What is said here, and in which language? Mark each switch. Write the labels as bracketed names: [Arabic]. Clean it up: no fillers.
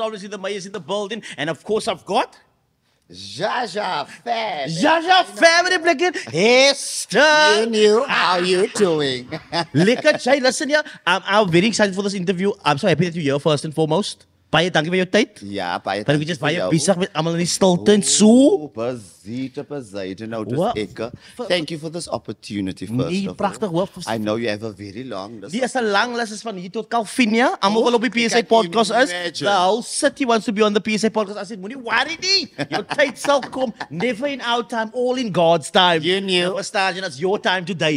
[English] Obviously the mayor's in the building, and of course I've got Zhazah Fab in the blanket. Hester, how you doing? Lekker chai, listen here, I'm very excited for this interview. I'm so happy that you're here first and foremost. [Afrikaans] Baie dankie vir jou tyd. Ja, baie dankie. Want jy is baie besig met almal in die stilte en so. [English] Thank you for this opportunity, first [Afrikaans] nee, [English] of all. [Afrikaans] Nee, prachtig hoor. [English] I know you have a very long list. [Afrikaans] Die is a lang list, is van hier tot Calvinia. Almal wil op die PSA podcast is. [English] The whole city wants to be on the PSA podcast. I said, [Afrikaans] moenie worry nie. Jou tyd sal kom. [English] Never in our time, all in God's time. You knew. Now, Astagian, it's your time today.